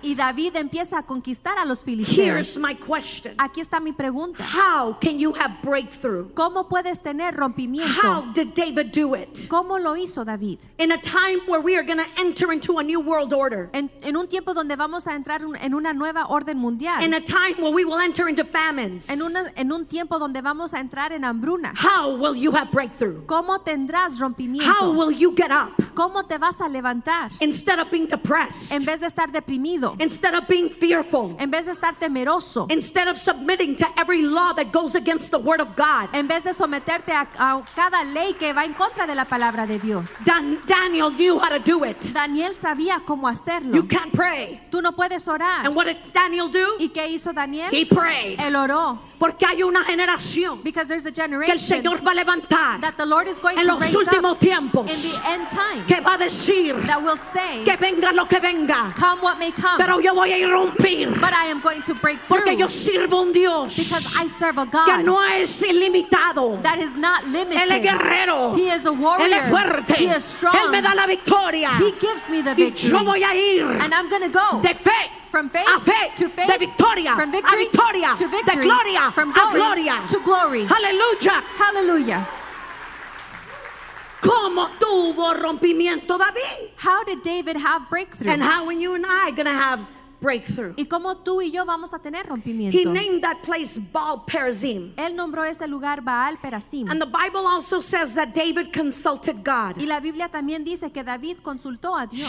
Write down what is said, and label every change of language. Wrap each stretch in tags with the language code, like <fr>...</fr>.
<es>Y David empieza a conquistar a los filisteos.</es> <en>Here's my question.</en> <es>Aquí está mi pregunta.</es> <en>How can you have breakthrough?</en> <es>¿Cómo puedes tener rompimiento?</es> <en>How did David do it?</en> <es>¿Cómo lo hizo David?</es> <en>In a time where we are going to enter into a new world order.</en> <es>En un tiempo donde vamos a entrar en una nueva orden mundial.</es> <en>In a time where we will enter into famines.</en> <es>En un tiempo donde vamos a entrar en hambruna.</es> <en>How will you have breakthrough?</en> <es>¿Cómo tendrás rompimiento?</es> <en>How will you get up?</en> <es>¿Cómo te vas a levantar?</es> <en>Instead of being depressed.</en> <es>En vez de estar deprimido.</es> <en>Instead of being fearful.</en> <es>En vez de estar temeroso.</es> <en>Instead of submitting to every law that goes against the word of God.</en> <es>En vez de someterte a cada ley que va en contra de la palabra de Dios.</es> <en>Daniel knew how to do it.</en> <es>Daniel sabía cómo hacerlo.</es> <en>You can't pray.</en> <es>Tú no puedes orar.</es> <en>And what did Daniel do?</en> <es>¿Y qué hizo Daniel?</es> <en>He prayed.</en> <es>Él oró. Porque hay una generación que el Señor va a levantar en los últimos tiempos</es> <en>times,</en> <es>que va a decir</es> <en>say,</en> <es>que venga lo que venga,</es> <en>come what may come,</en> <es>pero yo voy a irrumpir porque yo sirvo un Dios que no es ilimitado. Él es guerrero, Él es fuerte, Él me da la victoria, y yo voy a ir de fe.</es> <en>From faith</en> <es>a fe,</es> <en>to faith,</en> <es>de victoria,</es> <en>from victory,</en> <es>a victoria</es> <en>to victory,</en> <es>de gloria,</es> <en>from glory</en> <es>a gloria,</es> <en>to glory. Hallelujah. Hallelujah.</en> <es>¿Cómo tuvo rompimiento David?</es> <en>How did David have breakthrough? And how are you and I going to have breakthrough?</en> <es>¿Y cómo tú y yo vamos a tener rompimiento?</es> <en>He named that place Baal Perazim.</en> <es>Él nombró ese lugar Baal Perazim.</es> <en>And the Bible also says that David consulted God.</en> <es>Y la Biblia también dice que David consultó a Dios.</es>